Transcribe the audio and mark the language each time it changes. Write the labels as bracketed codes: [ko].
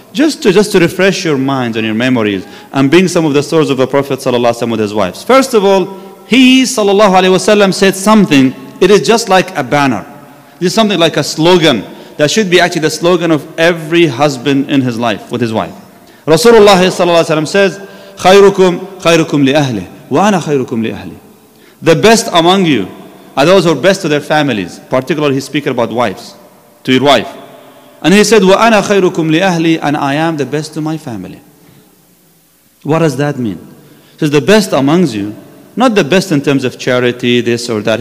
[en] Just to refresh your minds and your memories, and bring some of the stories of the Prophet sallallahu alayhi wasallam with his wives. First of all, he sallallahu alayhi wasallam said something. It is just like a banner. It is something like a slogan that should be actually the slogan of every husband in his life with his wife. Rasulullah sallallahu alayhi wasallam says, [ar] خَيْرُكُمْ خَيْرُكُمْ لِأَهْلِ وَأَنَا خَيْرُكُمْ لِأَهْلِ. [en] The best among you are those who are best to their families. Particularly, he's speaking about wives, to your wife. And he said, [ar] وَأَنَا خَيْرُكُمْ لِأَهْلِي, [en] and I am the best to my family. What does that mean? He says, the best amongst you, not the best in terms of charity, this or that.